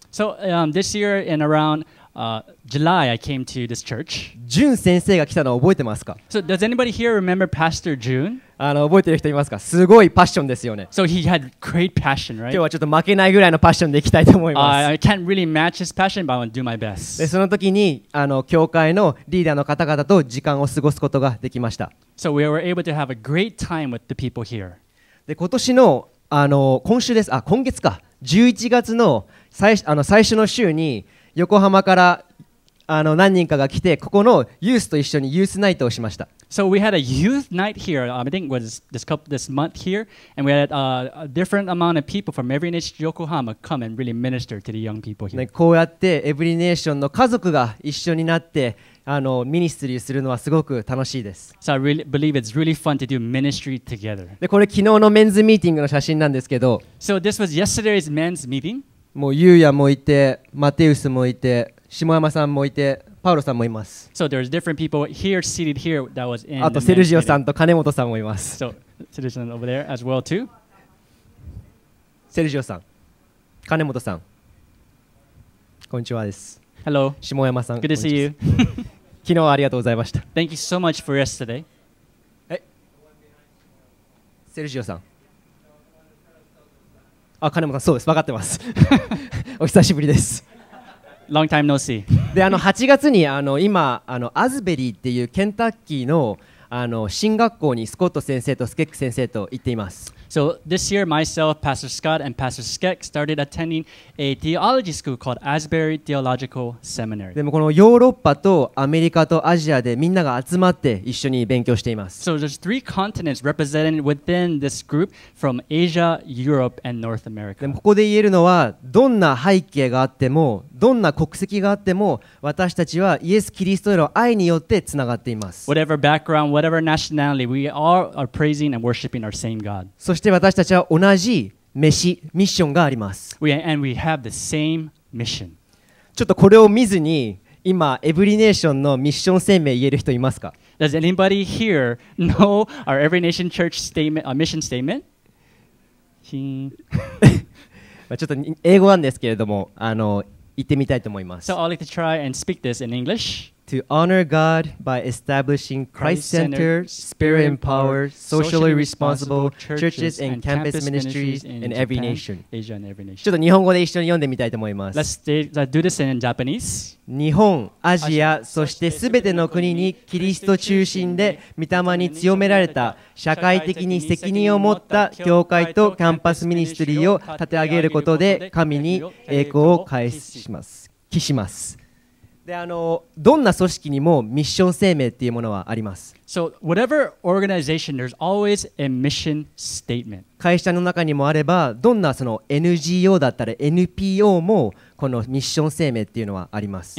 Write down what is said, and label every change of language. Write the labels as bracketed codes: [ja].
[en] So, this year in aroundJuly, I came to this church. [ja] Jun 先生が来たのを覚えてますか? [en] So, does anybody here remember Pastor Jun? [ja] 覚えてる人いますか? すごいパッションですよね。 [en] So, he had great passion, right? [ja] 今日はちょっと負けないぐらいのパッションでいきたいと思います。 [en] I can't really match his passion, but I want to do my best. [ja] で、その時に教会のリーダーの方々と時間を過ごすことができました。 [en] So, we were able to have a great time with the people here. [ja] で、今年の今週です。今月か。 11月の最初の週に横浜から何人かが来てここのユースと一緒にユースナイトをしました。 [en] So we had a youth night here. I think it was this month here, and we had a different amount of people from Every Nation Yokohama come and really minister to the young people here. [ja] こうやってEvery Nationの家族が一緒になってミニストリーするのはすごく楽しいです。 [en] So I really believe it's really fun to do ministry together. [ja] でこれ昨日のメンズミーティングの写真なんですけど。 [en] So this was yesterday's men's meeting. [ja] もうユウヤもいて、マテウスもいて、下山さんもいて、パウロさんもいます。 [en] So there's different people here seated here that was in. [ja] あとセルジオさんと金本さんもいます。 [en] So Sergio over there as well too. [ja] セルジオさん、金本さん、こんにちはです。 [en] Hello. [ja] 下山さん。 [en] Good to see you. [ja] 昨日はありがとうございました。 [en] Thank you so much for yesterday. [ja] え、セルジオさん。あ、金本さん、そうです、分かってます。お久しぶりです。 [en] Long time no see. [ja] で、8月に今アズベリーっていうケンタッキーの新学校にスコット先生とスケック先生と行っています。 [en] So this year, myself, Pastor Scott, and Pastor Skek started attending a theology school called Asbury Theological Seminary. [ja] でもこのヨーロッパとアメリカとアジアでみんなが集まって一緒に勉強しています。 [en] So there's three continents represented within this group from Asia, Europe, and North America. [ja] でもここで言えるのはどんな背景があってもどんな国籍があっても私たちはイエス・キリストへの愛によってつながっています。 [en] Whatever background, whatever nationality, we all are praising and worshiping our same God. [ja] そして私たちは同じ飯、ミッションがあります。 [en] And we have the same mission. [ja] ちょっとこれを見ずに今、Every Nationのミッション声明言える人いますか? [en] Does anybody here know our Every Nation Church statement, our mission statement? [ja] ちょっと英語なんですけれども、言ってみたいと思います。 [en] So I'd like to try and speak this in English. To honor God by establishing Christ-centered, Spirit-empowered, socially responsible churches and campus ministries in every nation. Asia and every nation. [ja] ちょっと日本語で一緒に読んでみたいと思います。 [en] Let's do this in Japanese. [ja] 日本、アジア、そしてすべての国にキリスト中心で御霊に強められた社会的に責任を持った教会とキャンパスミニストリーを立て上げることで神に栄光を返します。帰します。で、どんな組織にもミッション声明っていうものはあります。 [en] So, whatever organization, there's always a mission statement. [ja] 会社の中にもあれば、どんなその NGO だったら NPO もこのミッション声明っていうのはあります。